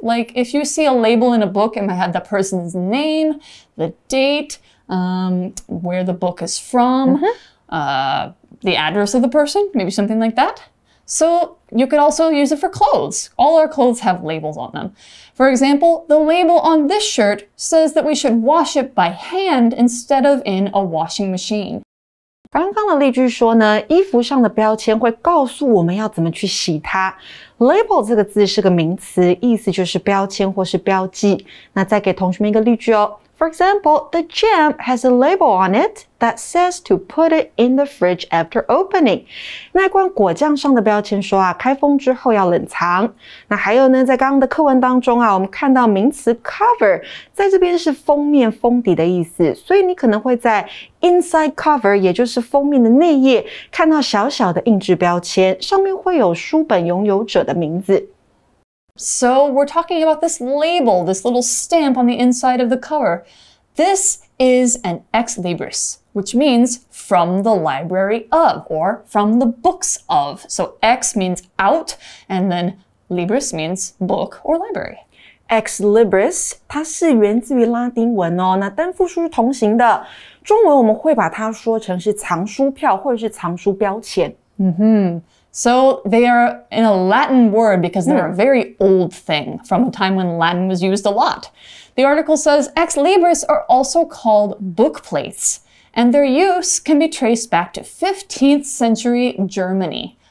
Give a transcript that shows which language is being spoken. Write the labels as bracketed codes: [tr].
[en] Like if you see a label in a book, it might have the person's name, the date, where the book is from, the address of the person, maybe something like that. So you could also use it for clothes. All our clothes have labels on them. For example, the label on this shirt says that we should wash it by hand instead of in a washing machine. [zh] 刚刚的例句说呢，衣服上的标签会告诉我们要怎么去洗它。 Label 这个字是个名词，意思就是标签或是标记。那再给同学们一个例句哦。 [en] For example, the jam has a label on it that says to put it in the fridge after opening. [zh] 那罐果酱上的标签说啊，开封之后要冷藏。那还有呢，在刚刚的课文当中啊，我们看到名词 cover 在这边是封面、封底的意思，所以你可能会在 inside cover， 也就是封面的内页，看到小小的印制标签，上面会有书本拥有者的名字。 [en] So we're talking about this label, this little stamp on the inside of the cover. This is an ex libris, which means from the library of, or from the books of. So ex means out, and then libris means book or library. [zh] Ex libris, 它是源自于拉丁文哦，那单复数是同形的。中文我们会把它说成是藏书票或者是藏书标签。 [en] So they are in a Latin word because they're a very old thing from a time when Latin was used a lot. The article says ex libris are also called book plates, and their use can be traced back to 15th century Germany.